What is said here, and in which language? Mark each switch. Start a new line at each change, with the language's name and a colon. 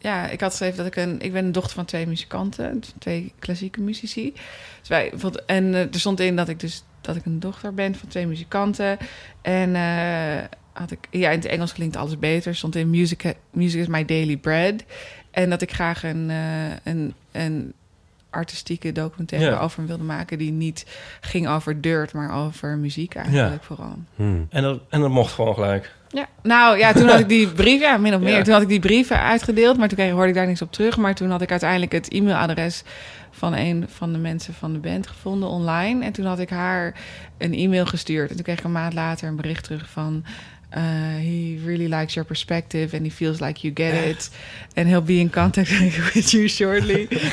Dutch: ik had geschreven dat ik ben een dochter van 2 muzikanten, 2 klassieke muzici. Dus er stond in dat ik een dochter ben van 2 muzikanten. En in het Engels klinkt alles beter. Stond in
English: music is my daily bread.
Dutch: En dat ik graag een artistieke documentaire over wilde maken die niet ging over dirt, maar over muziek eigenlijk vooral. Hmm. En dat mocht gewoon gelijk. Ja, toen had ik die brief, min of meer, toen had ik die brieven uitgedeeld, maar toen hoorde ik daar niks op terug. Maar toen had ik uiteindelijk het e-mailadres van een van de mensen van de band gevonden online. En toen had ik haar een e-mail gestuurd. En toen kreeg ik een maand later een bericht terug van,
English: He really likes your perspective and he feels like you get it. And he'll be in contact with you shortly.